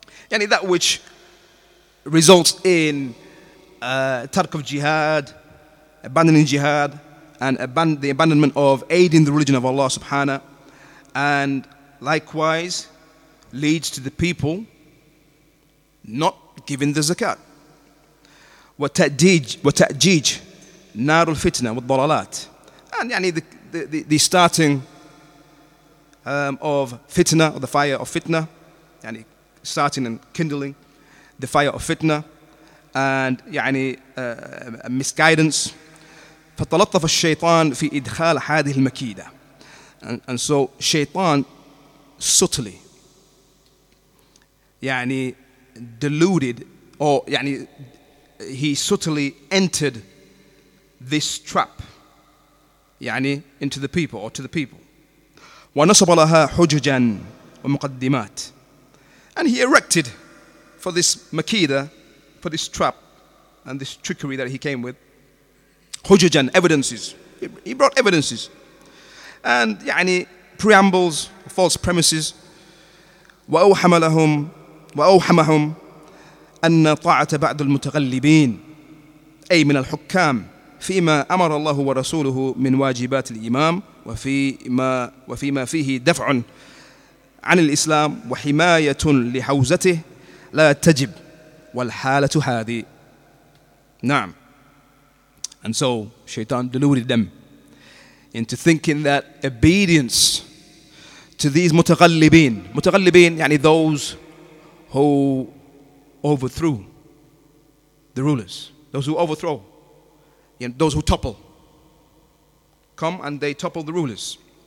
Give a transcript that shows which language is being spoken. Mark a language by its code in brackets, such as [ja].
[en] Yani that which results in tark of jihad, abandoning jihad, and the abandonment of aiding the religion of Allah subhanahu, and likewise leads to the people not giving the zakat. [ar] وتأجيج نار الفتنة والضلالات. [en] And yani the starting of fitna, or the fire of fitna, yani starting and kindling the fire of fitna, and yani misguidance. [ar] فتلطف الشيطان في إدخال هذه المكيدة. [en] And so Shaytan subtly يعني deluded, or يعني he subtly entered this trap يعني into the people, or to the people. [ar] ونصب لها حججا ومقدمات. [en] And he erected for this مكيدة, for this trap and this trickery that he came with, hujjajan, evidences. He brought evidences. And yani preambles, false premises. [ar] وَأَوْحَمَهُمْ أَنَّ طَاعَةَ بَعْدُ الْمُتَغَلِّبِينَ أي من الحكام فيما أمر الله ورسوله من واجبات الإمام وفيما فيه دفع عن الإسلام وحماية لحوزته لا تجب والحالة هذه. نعم. [en] And so Shaitan deluded them into thinking that obedience to these mutaghallibin, yani those who overthrew the rulers, those who overthrow, you know, those who topple, come and they topple the rulers.